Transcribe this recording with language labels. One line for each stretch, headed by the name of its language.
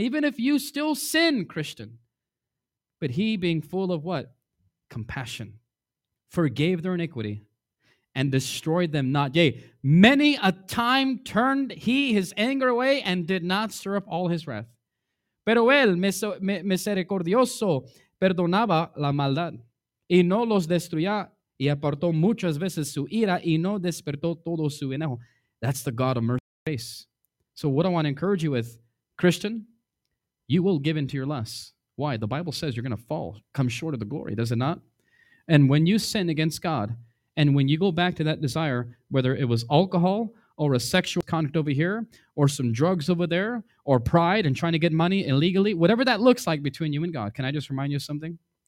English: Even if you still sin, Christian. But he, being full of what? Compassion. Forgave their iniquity. And destroyed them not. Yea, many a time turned he his anger away and did not stir up all his wrath.
Spanish: Pero él misericordioso perdonaba la maldad y no los destruía y apartó muchas veces su ira y no despertó todo su enojo.
English: That's the God of mercy and grace. So what I want to encourage you with, Christian, you will give in to your lusts. Why? The Bible says you're going to fall, come short of the glory, does it not? And when you sin against God, and when you go back to that desire, whether it was alcohol or a sexual conduct over here or some drugs over there or pride and trying to get money illegally, whatever that looks like between you and God, can I just remind you of something?